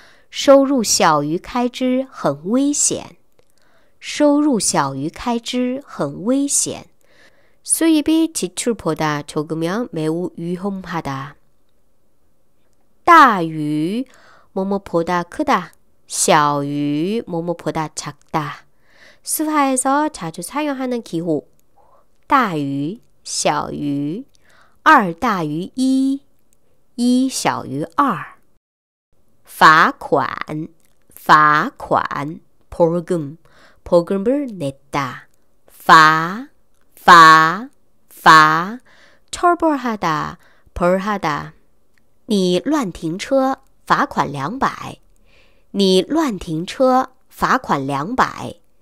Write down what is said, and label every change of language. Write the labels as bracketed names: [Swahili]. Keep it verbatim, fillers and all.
[Chinese] 收入小于开支很危险收入小于开支很危险. [Korean] 수입이 지출보다 적으면 매우 위험하다. 大于 뭐뭐보다 크다, 小于 뭐뭐보다 작다. 수화에서 자주 사용하는 기호 大于, 小于, 二大于一, 一小于二. 罚款, 罚款, 벌금, 벌금을 냈다. 罚, 罚, 罚, 처벌하다, 벌하다. [Chinese] 你乱停车罚款两百.你乱停车罚款两百.